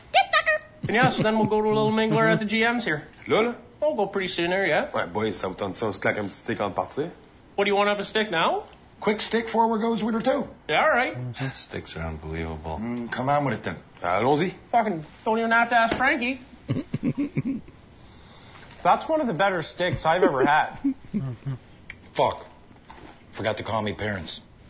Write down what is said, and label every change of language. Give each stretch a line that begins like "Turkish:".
English: Get and yeah, so then we'll go to a little mingler at the GM's here. Lola? We'll go pretty soon there, yeah?
French: Ouais, boys, ça vous tente ça, on se claque un petit stick en partie.
English: What, do you want to have a stick now? Quick stick, forward goes winner two. Yeah, all right. Sticks are unbelievable. Mm, come on with it, then.
French: Allons-y.
English: Fucking don't even have to ask Frankie. That's one of the better sticks I've ever had. Fuck. Forgot to call me parents.